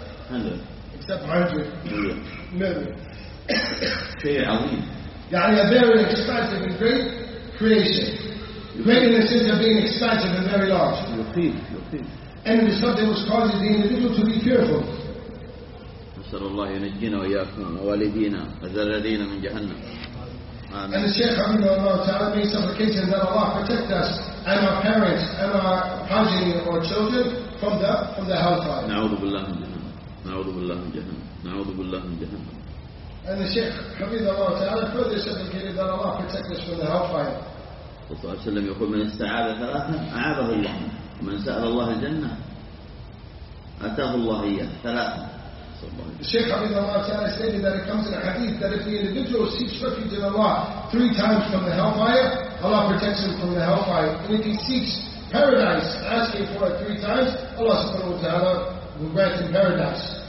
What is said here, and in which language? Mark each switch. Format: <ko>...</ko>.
<en>100. Except 100 million.</en> <ar>شيء عظيم. يعني</ar> <en>a very expansive and great creation. Great in the sense of being expansive and very large.</en> <ar>يخيف.</ar> <en>And the subject was causing the individual to be fearful.</en> <ar>نسأل الله ينجينا وإياكم ووالدينا وذرينا من جهنم.</ar> <en>And the Shaykh Habib Allah Ta'ala made supplication that Allah protect us and our parents and our progeny or children from the hellfire.</en> <ar>نعوذ بالله من جهنم. نعوذ بالله من جهنم. نعوذ بالله من جهنم.</ar> <en>And the Shaykh Habib Allah Ta'ala further supplicated that Allah protect us from the hellfire.</en> <ar>صلى الله عليه وسلم يقول من استعاذ ثلاثا أعاذه الله ومن سأل الله الجنة أتاه الله إياه ثلاثا.</ar> <en>The Shaykh Habib Allah Ta'ala stated that it comes in a hadith that if the individual seeks refuge in Allah 3 times from the hellfire, Allah protects him from the hellfire. And if he seeks paradise, asking for it 3 times, Allah subhanahu wa ta'ala will grant him paradise.</en>